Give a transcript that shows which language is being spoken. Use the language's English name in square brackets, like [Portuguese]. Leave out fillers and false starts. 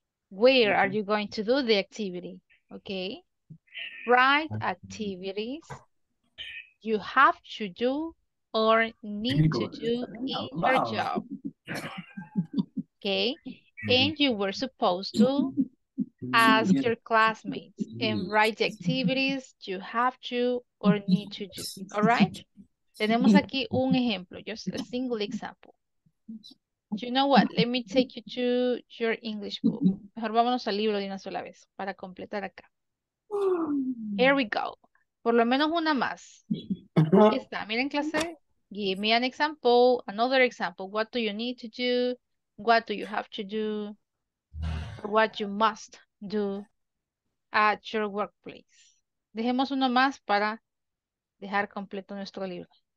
[English] Where are you going to do the activity? Okay? Write activities you have to do or need to do in your job. Okay? And you were supposed to ask your classmates and write the activities you have to or need to do. All right? [Spanish] Tenemos aquí un ejemplo, [English] just a single example. You know what? Let me take you to your English book. [Spanish] Mejor vámonos al libro de una sola vez para completar acá. [English] Here we go. [Spanish] Por lo menos una más. Aquí está. Miren clase. [English] Give me an example, another example. What do you need to do? What do you have to do? what you must do at your workplace. [Spanish] Dejemos uno más para dejar completo nuestro libro.